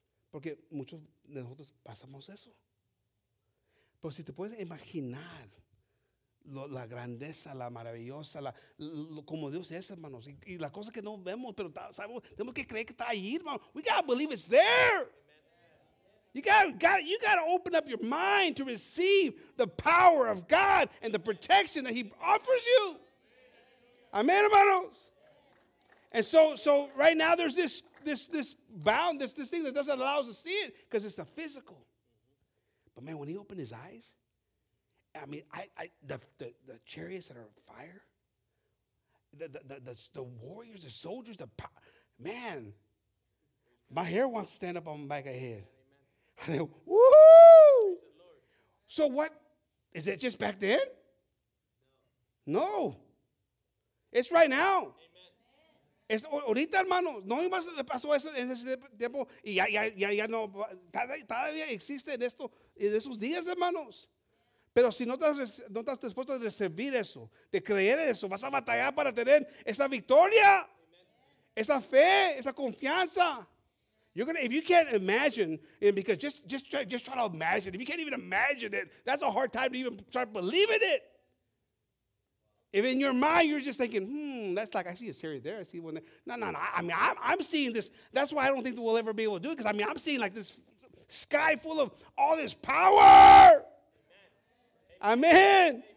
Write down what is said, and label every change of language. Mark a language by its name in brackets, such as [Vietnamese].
[Spanish] Porque muchos de nosotros pasamos eso. Pero si te puedes imaginar la grandeza, la maravillosa, como Dios es, hermanos, y las cosas que no vemos, pero sabemos, tenemos que creer que está ahí, hermano. [English] We gotta believe it's there. You gotta open up your mind to receive the power of God and the protection that He offers you. Amen, hermanos. And so right now there's this bound, this thing that doesn't allow us to see it because it's the physical. But man, when he opened his eyes, I mean, the chariots that are on fire, the warriors, the soldiers, man, my hair wants to stand up on the back of my head. I think, woo! So what? Is it just back then? No. It's right now. [Spanish] Es ahorita, hermano. No más le pasó eso en ese tiempo. Y ya no. Todavía existe en esto. En esos días, hermanos. Pero si no estás dispuesto a recibir eso, de creer eso, vas a batallar para tener esa victoria. Amen. Esa fe, esa confianza. [English] If you can't imagine, and because just try to imagine. If you can't even imagine it, that's a hard time to even start believing it. If in your mind you're just thinking, that's like, I see a series there, I see one there. No. I mean, I'm seeing this. That's why I don't think we'll ever be able to do it, because I mean, I'm seeing like this sky full of all this power. Amen.